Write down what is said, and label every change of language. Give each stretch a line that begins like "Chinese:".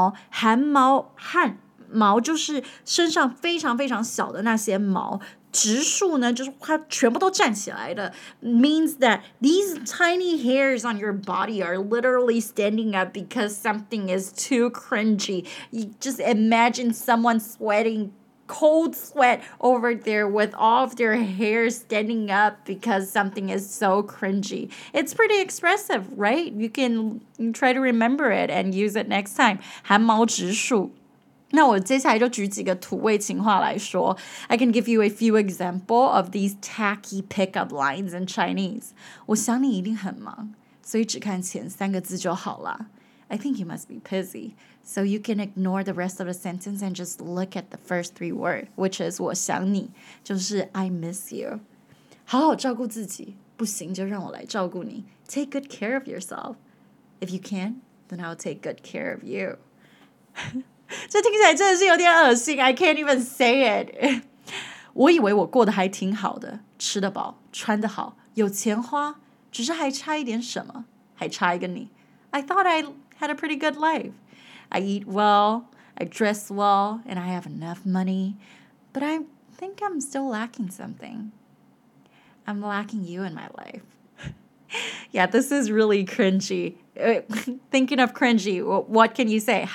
Chinese: 汗毛就是身上非常非常小的那些毛。直竖呢就是它全部都站起来的
English: means that these tiny hairs on your body are literally standing up because something is too cringy. You just imagine someone sweating cold sweat over there with all of their hair standing up because something is so cringy. It's pretty expressive, right? You can try to remember it and use it next time.
Chinese: 汗毛直竖。那我接下来就举几个土味情话来说。
English: I can give you a few examples of these tacky pickup lines in Chinese.
Chinese: 我想你一定很忙，所以只看前三个字就好了。
English: I think you must be busy. So you can ignore the rest of the sentence and just look at the first three words, which is
Chinese: 我想你，就是
English: I miss you.
Chinese: 好好照顾自己，不行就让我来照顾你。
English: Take good care of yourself. If you can, then I'll take good care of you.
Chinese: 这听起来真的是有点恶心
English: I can't even say it
Chinese: 我以为我过得还挺好的吃得饱穿得好有钱花只是还差一点什么还差一个你
English: I thought I had a pretty good life I eat well I dress well And I have enough money But I think I'm still lacking something I'm lacking you in my life Yeah, this is really cringy thinking of cringy, what can you say?